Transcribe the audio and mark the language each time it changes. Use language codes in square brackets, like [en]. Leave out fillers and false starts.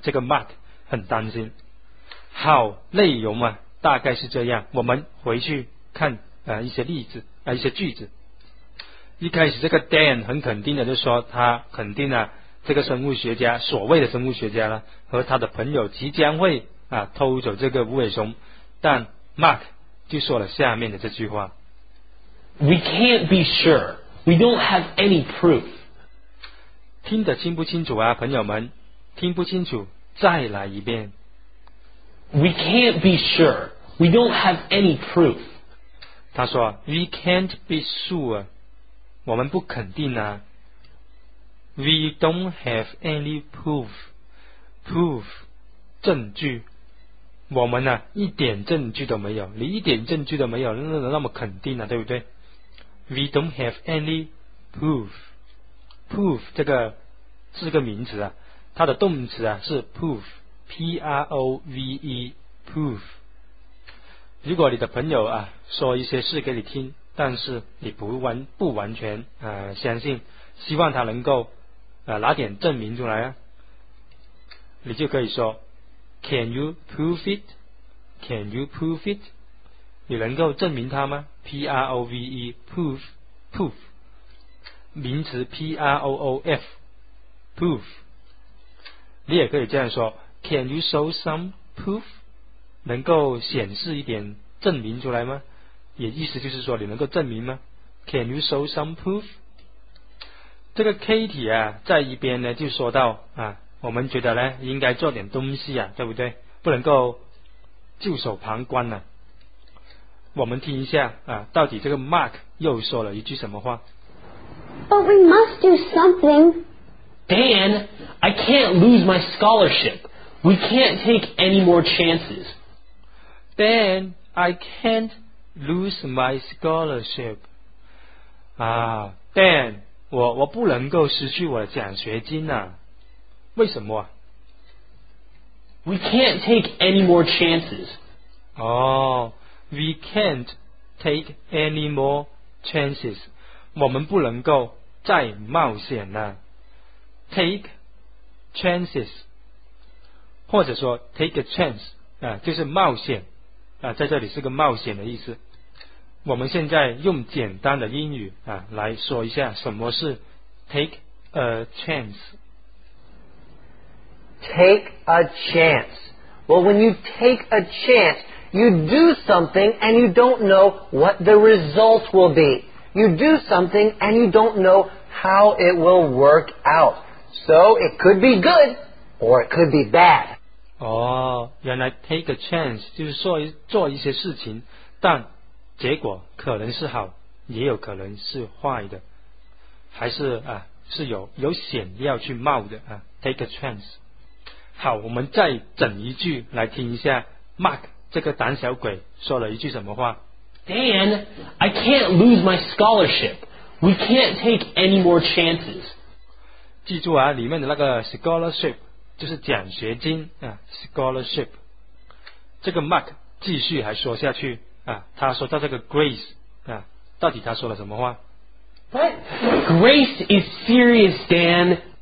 [zh] 这个 Mark 很担心。好，内容嘛大概是这样，我们回去看啊一些例子啊一些句子。一开始这个 Dan 很肯定的就说他肯定啊这个生物学家，所谓的生物学家呢，和他的朋友即将会啊偷走这个无尾熊，但 Mark 就说了下面的这句话 [en] We can't be sure, we don't have any proof. [zh] 听得清不清楚啊朋友们，听不清楚再来一遍。 [en] We can't be sure, we don't have any proof. [zh] 他说 [en] We can't be sure, [zh] 我们不肯定啊。 [en] We don't have any proof. Proof, [zh] 证据。我们呢、啊，一点证据都没有。你一点证据都没有，那么肯定了、啊，对不对 ？ [en] We don't have any proof. [zh] Proof 这个是个名词啊，它的动词啊是 prove, P-R-O-V-E, proof. 如果你的朋友啊说一些事给你听，但是你不完全啊、相信，希望他能够。拿点证明出来啊，你就可以说 [en] Can you prove it? Can you prove it? [zh] 你能够证明它吗？ [en] P-R-O-V-E Proof Proof [zh] 名词 [en] P-R-O-O-F Proof [zh] 你也可以这样说 [en] Can you show some proof? [zh] 能够显示一点证明出来吗？也意思就是说你能够证明吗？ [en] Can you show some proof? [zh] 这个 Katie 啊在一边呢就说到啊，我们觉得呢应该做点东西啊，对不对？不能够袖手旁观呢、啊。我们听一下啊，到底这个 Mark 又说了一句什么话 [en] ？But we must do something. Dan, I can't lose my scholarship. We can't take any more chances. Dan, I can't lose my scholarship. [zh] 啊 ，Dan。我不能够失去我的奖学金啊，为什么啊 [en] ？We can't take any more chances. 哦 ，We can't take any more chances. [zh] 我们不能够再冒险了。 Take chances， 或者说 take a chance 啊，就是冒险啊，在这里是个冒险的意思。我们现在用简单的英语啊来说一下什么是 take a chance。 [en] Take a chance. Well, when you take a chance, you do something and you don't know what the result will be. You do something and you don't know how it will work out. So it could be good or it could be bad. [zh] 哦，原来 take a chance 就是做一些事情，但结果可能是好，也有可能是坏的，还是啊是有险要去冒的啊。 [en] Take a chance。 [zh] 好，我们再整一句来听一下 ，Mark 这个胆小鬼说了一句什么话 [en] ？Dan, I can't lose my scholarship. We can't take any more chances. [zh] 记住啊，里面的那个 scholarship 就是奖学金啊 ，scholarship。这个 Mark 继续还说下去。啊，他说到这个 Grace 啊，到底他说了什么话 [en] ？But Grace is serious, Dan.